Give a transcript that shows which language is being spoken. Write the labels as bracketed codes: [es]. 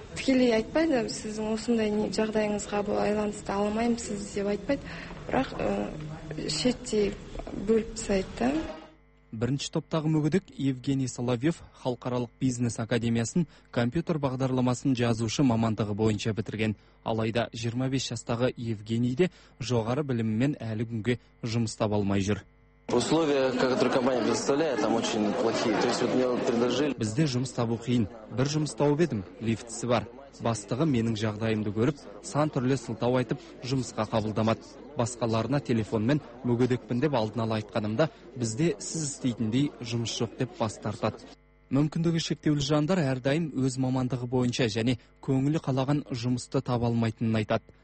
[kk] Тікелей айтпайды, сіздің осындай жағдайыңызға байланысты алмаймыз сіз деп айтпайды, бірақ шетте бөліп тастайды. Бірінші топтағы мүгедек Евгений Соловьев Халықаралық бизнес академиясын компьютер бағдарламасын жазушы мамандығы бойынша бітірген. Алайда 25 жастағы Евгений де жоғары біліммен әлі күнге жұмыс таба алмай жүр. [ru] Условия, которые компания предоставляет, там очень плохие. То есть вот мне предложили. [kk] Бізде жұмыс табу қиын. Бір жұмыс тауып едім, лифтісі бар. Бастығы менің жағдайымды көріп, сан түрлі сылтау айтып, жұмысқа қабылдамады. Басқаларына телефонмен мүгедекпін деп алдын ала айтқанымда, бізде сіз істейтіндей жұмыс жоқ деп бас тартады. Мүмкіндігі шектеулі жандар әрдайым өз мамандығы бойынша және көңілі қалаған жұмысты таба алмайтынын айтады.